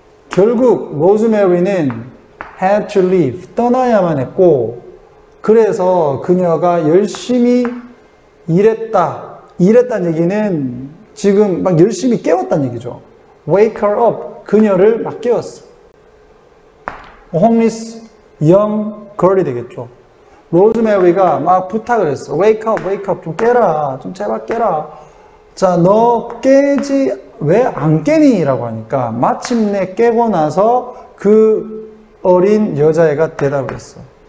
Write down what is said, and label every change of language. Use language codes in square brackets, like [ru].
[ko] 결국 로즈메리는 [en] had to leave, [ko] 떠나야만 했고, 그래서 그녀가 열심히 일했다. 일했다는 얘기는 지금 막 열심히 깨웠다는 얘기죠. [en] Wake her up, [ko] 그녀를 막 깨웠어. [en] Homeless young girl [ko] 이 되겠죠. 로즈메리가 막 부탁을 했어. [en] Wake up, wake up, [ko] 좀 깨라, 좀 제발 깨라. 자, 너 깨지 왜 안 깨니? 라고 하니까 마침내 깨고 나서 그 어린 여자애가 대답을 했어.